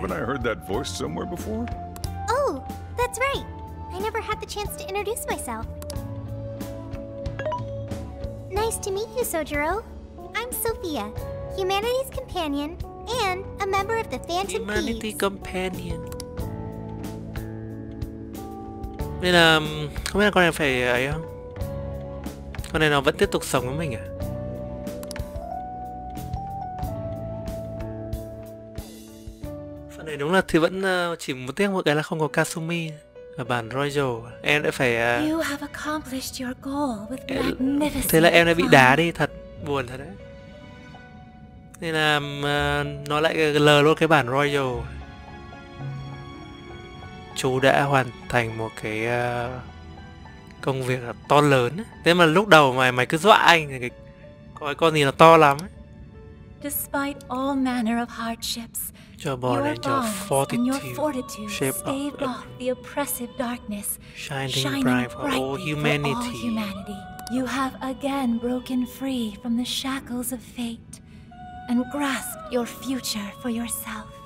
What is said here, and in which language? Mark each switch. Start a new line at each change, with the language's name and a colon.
English: Haven't I heard that voice somewhere before? That's right. I never had the chance to introduce myself. Nice to meet you, Sojiro. I'm Sophia, Humanity's Companion, and a member of the Phantom Thieves. Humanity Companion.
Vietnamese: Nên không biết là con này phải ấy không? Con này nó vẫn tiếp tục sống với mình à? Phần này đúng là thì vẫn chỉ một tiếc một cái là không có Kasumi và bản Royal. Em đã phải
English: You have accomplished your goal with magnificent.
Vietnamese: Thế là em đã bị đá đi, thật buồn thật đấy. Nên là nó lại lờ luôn cái bản Royal. Chú đã hoàn thành một cái công việc to lớn. Thế mà lúc đầu mày cứ dọa anh thì cái con gì nó to lắm.
English: Despite all manner of hardships, your bonds and your fortitude staved off the oppressive darkness, shining brightly for all humanity. You have again broken free from the shackles of fate and grasped your future for yourself.